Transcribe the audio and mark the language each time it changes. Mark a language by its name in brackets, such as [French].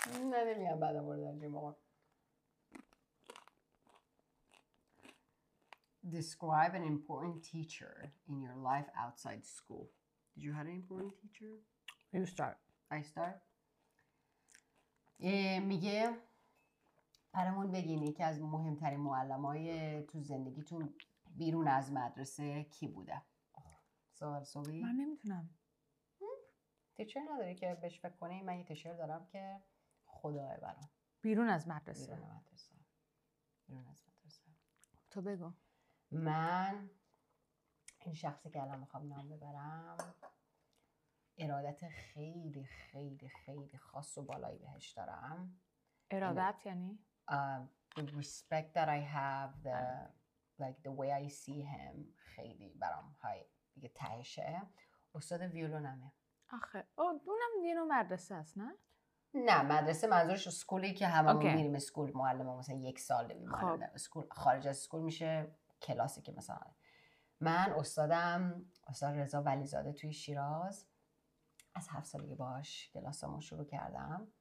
[Persian] نه نمیام بعدا بارو دارچین بخورم. [English] Describe an important teacher in your life outside school. Did you have an important teacher? You start. I start. [Persian] میگه برامون بگین یکی از مهمترین معلمای تو زندگیتون بیرون از مدرسه کی بوده؟ سوال سوالی؟ من نمیتونم. تیچر نداری که بهش فکر کنی؟ من یه تیچر دارم که خدای برام. بیرون از مدرسه. بیرون از مدرسه. بیرون از مدرسه. تو بگو. من این شخصی که الان میخوام نام ببرم ارادت خیلی خیلی خیلی خاص و بالایی بهش دارم. ارادت یعنی؟ [English] The respect that I have, the like the way I see him [Persian] خیلی برام های دیگه تهشه. استاد ویولونمه. آخه اونم دینو مدرسه است نه؟ نه مدرسه منظورش سکولی که همه okay. میریم سکول معلم مثلا یک سال دیم سکول خارج از سکول میشه کلاسی که مثلا من استادم استاد رضا ولیزاده توی شیراز از 7 سالگی باش کلاسامو شروع کردم.